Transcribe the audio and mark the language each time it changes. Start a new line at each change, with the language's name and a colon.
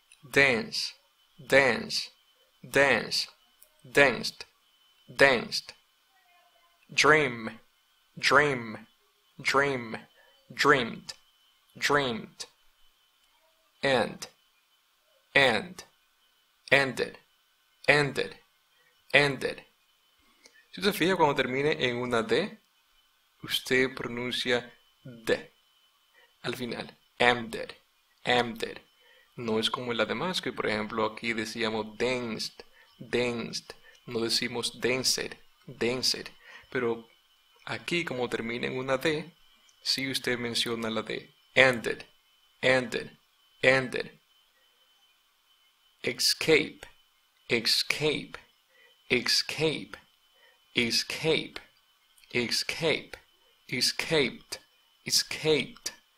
English: Dance, dance, dance, danced, danced. Dream, dream, dream, dreamed, dreamed. End, end, ended, ended, ended.
Spanish: Si usted se fija, cuando termine en una D, usted pronuncia D al final.
English: Ended, ended.
Spanish: No es como el demás, que por ejemplo aquí decíamos
English: danced, danced.
Spanish: No decimos
English: danced, danced.
Spanish: Pero aquí, como termina en una D, si usted menciona la D.
English: Ended, ended, ended. Escape, escape, escape, escape, escape, escaped, escaped.